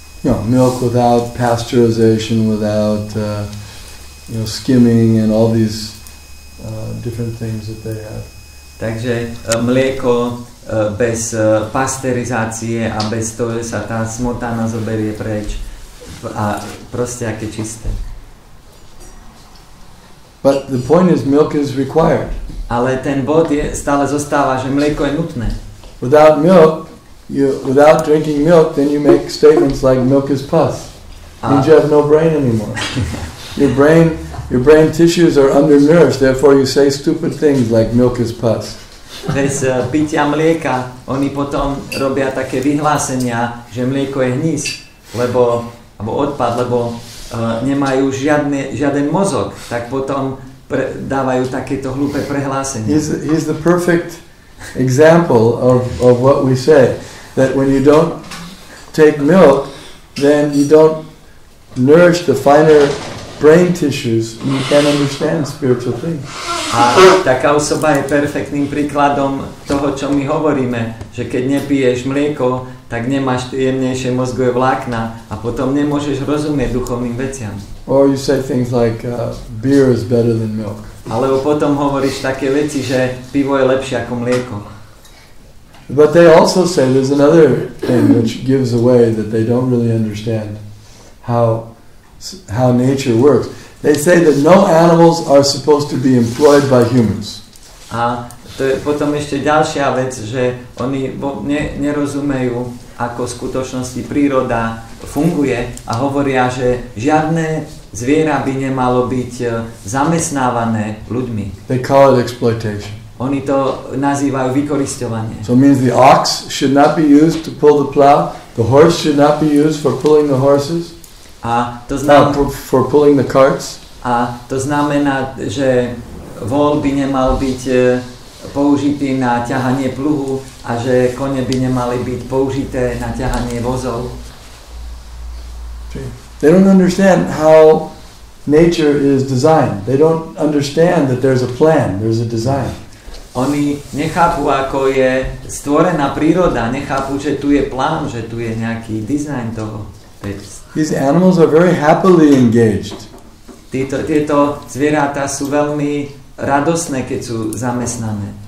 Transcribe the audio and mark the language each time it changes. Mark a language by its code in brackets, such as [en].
[en] No, milk without pasteurization, without skimming and all these different things that they have. [sk] Takže mlieko bez pasterizácie a bez toho sa tá smotana zoberie preč a proste aké čisté. [en] But the point is milk is required. [sk] Ale ten bod je, stále zostáva, že mlieko je nutné. [en] Without milk, without drinking milk, then you make statements like milk is pus. Means you have no brain anymore. Your brain tissues are undernourished, therefore you say stupid things like milk is pus. [sk] Bez pitia mlieka, oni potom robia také vyhlásenia, že mlieko je hnis, alebo odpad, lebo nemajú žiaden mozog, tak potom dávajú takéto hlúpe prehlásenie. [en] He's the perfect example of what we say, that when you don't take milk, then you don't nourish the finer brain tissues and you can't understand spiritual things. [sk] A taká osoba je perfektným príkladom toho, čo my hovoríme, že keď nepiješ mlieko, tak nemáš jemnejšie mozgové vlákna a potom nemôžeš rozumieť duchovným veciam. [en] Or you say things like beer is better than milk. [sk] Alebo potom hovoríš také veci, že pivo je lepšie ako mlieko. [en] But they also say there's another thing which gives away that they don't really understand how nature works. They say that no animals are supposed to be employed by humans. [sk] A to je potom ešte ďalšia vec, že oni nerozumejú, ako v skutočnosti príroda funguje a hovoria, že žiadne zviera by nemalo byť zamestnávané ľuďmi. [en] They call it exploitation. [sk] Oni to nazývajú vykorisťovanie. [en] So means the ox should not be used to pull the plow, the horse should not be used for pulling the horses. [sk] A to znamená [en] for pulling the carts. [sk] A to znamená, že vol by nemal byť použitý na ťahanie pluhu a že kone by nemali byť použité na ťahanie vozov. [en] They don't understand how nature is designed. They don't understand that there's a plan, there's a design. [sk] Oni nechápu, ako je stvorená príroda, nechápu, že tu je plán, že tu je nejaký design toho. [en] These animals are very happily engaged. [sk] Tieto zvieratá sú veľmi radosné, keď sú zamestnané.